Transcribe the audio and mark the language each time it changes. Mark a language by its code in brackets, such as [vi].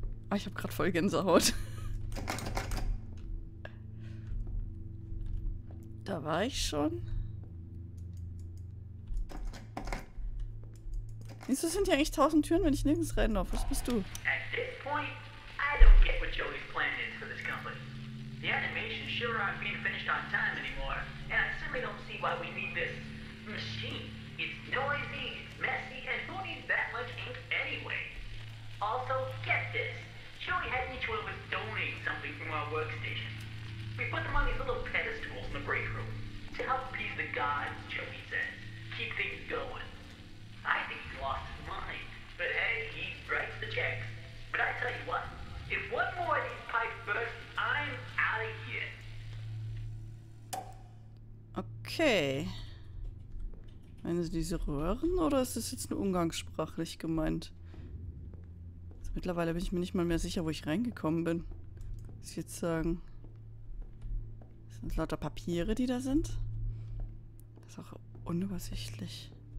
[de] Oh, ich hab grad voll Gänsehaut. Da war ich schon. Wieso sind hier eigentlich 1000 Türen, wenn ich nirgends rein darf? Was bist du? [en] At this point, I don't get what Joey's plan is for this company. The animation sure aren't being finished on time anymore. And I certainly don't see why we need this machine. It's noisy, it's messy, and who needs that much ink anyway? Also, get this. Joey had each one of us donate something from our workstation. We put them on these little pedestals in the break room to help appease the gods, Joey says. Keep things going. I think he's lost his mind. But hey, he writes the checks. But I tell you what, if one more of these pipes bursts, I'm out of here. Okay. [de] Meinen Sie diese Röhren oder ist das jetzt nur umgangssprachlich gemeint? Also mittlerweile bin ich mir nicht mal mehr sicher, wo ich reingekommen bin. Was ich jetzt sagen? Das sind lauter Papiere, die da sind. Das ist auch unübersichtlich.